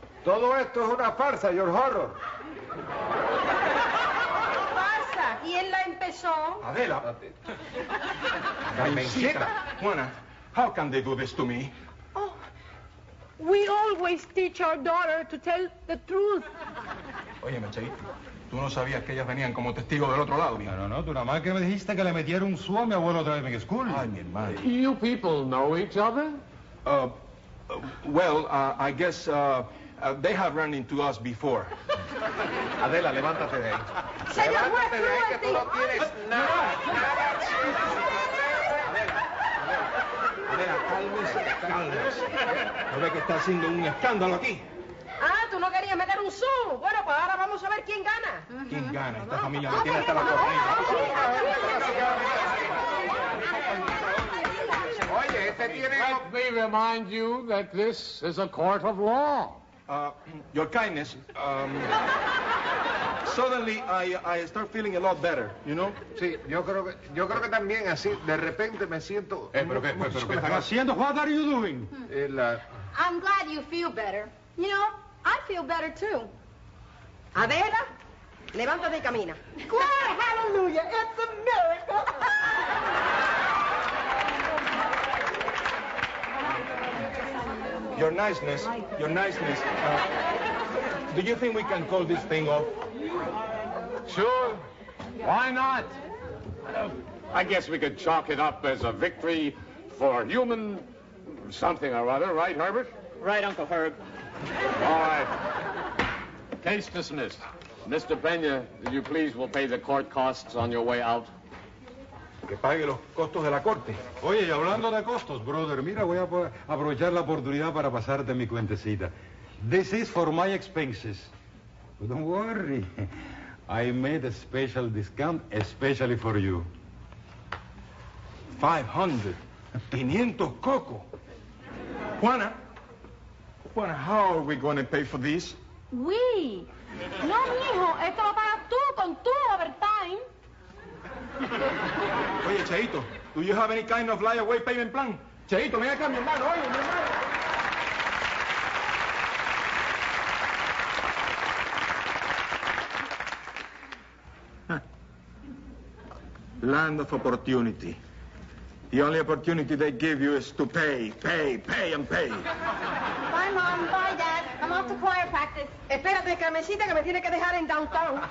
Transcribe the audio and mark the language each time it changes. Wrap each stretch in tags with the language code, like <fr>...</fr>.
<es>Todo esto es una farsa,</es> <en>Your Horror.</en> <es>¿Quién la empezó? Adela. Carmencita.</es> <en>Juana, how can they do this to me? Oh, we always teach our daughter to tell the truth.</en> <es>Oye, Machaito, tú no sabías que ellas venían como testigos del otro lado, ¿bien? No, tú nada más que me dijiste que le metieron su a mi abuelo</es> <en>driving school.</en> <es>Ay, mi hermano.</es> <en>You people know each other? Well, I guess they have run into us before.</en> <es>Adela, levántate de ahí. Señor, levántate de ahí, que tú no tienes nada. Adela, cálmese. No ve que está haciendo un escándalo aquí. Ah, tú no querías meter un zoom. Bueno, pues ahora vamos a ver quién gana. ¿Quién gana? Esta familia me tiene hasta la corriente. Oye, este tiene...</es> <en>Let me remind you that this is a court of law. Your kindness, suddenly I start feeling a lot better, you know?</en> <es>Sí, yo creo que también así, de repente me siento... ¿Qué están haciendo?</es> <en>What are you doing? I'm glad you feel better. You know, I feel better too. Adela, levántate y camina. Glory, hallelujah, it's a miracle! Thank you. Your niceness. Do you think we can call this thing off? Sure. Why not? I guess we could chalk it up as a victory for human something or other, right, Herbert? Right, Uncle Herb. All right. Case dismissed. Mr. Peña, if you please, will pay the court costs on your way out.</en> <es>Que pague los costos de la corte. Oye, y hablando de costos, brother, mira, voy a aprovechar la oportunidad para pasarte mi cuentecita.</es> <en>This is for my expenses. But don't worry. I made a special discount especially for you. 500. 500 coco. Juana, how are we going to pay for this? We.</en> <es>No, mijo, esto lo pagas tú con tu overtime.</es> <en>Oye, Cheito, do you have any kind of layaway payment plan?</en> <es>Cheito, ven acá, mi hermano, oye, mi hermano.</es> <en>Land of opportunity. The only opportunity they give you is to pay, pay, pay, and pay. Bye, Mom. Bye, Dad. I'm off to choir practice.</en> <es>Espérate, Carmencita, que me tiene que dejar en downtown.</es>